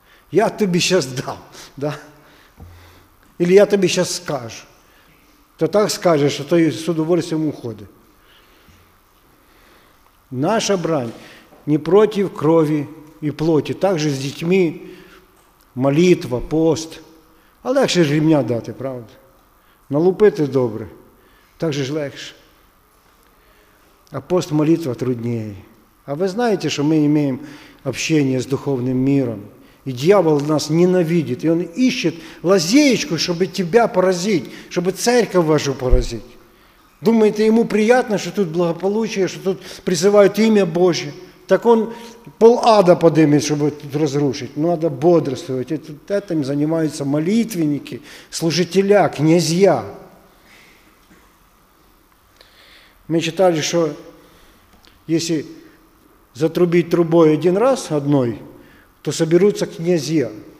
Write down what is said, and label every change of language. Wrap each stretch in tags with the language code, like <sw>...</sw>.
<ru>Я тебе сейчас дам, да? Или я тебе сейчас скажу. Ты так скажешь, что ты с удовольствием уходишь. Наша брань не против крови и плоти. Также с детьми молитва, пост.</ru> <uk>А легше ж рівня дати, правда? Налупити добре, так же ж легше.</uk> <ru>А постмолитва труднее.</ru> <uk>А ви знаєте, що ми маємо общення з духовним миром. І дьявол нас ненавидить. І він іще лазеечку, щоб тебе поразити, щоб церковь вашу поразити. Думаєте, йому приємно, що тут благополуччя, що тут призивають ім'я Боже?</uk> <ru>Так он пол ада подымет, чтобы тут разрушить. Надо бодрствовать. Этим занимаются молитвенники, служители, князья. Мы читали, что если затрубить трубой один раз одной, то соберутся князья.</ru>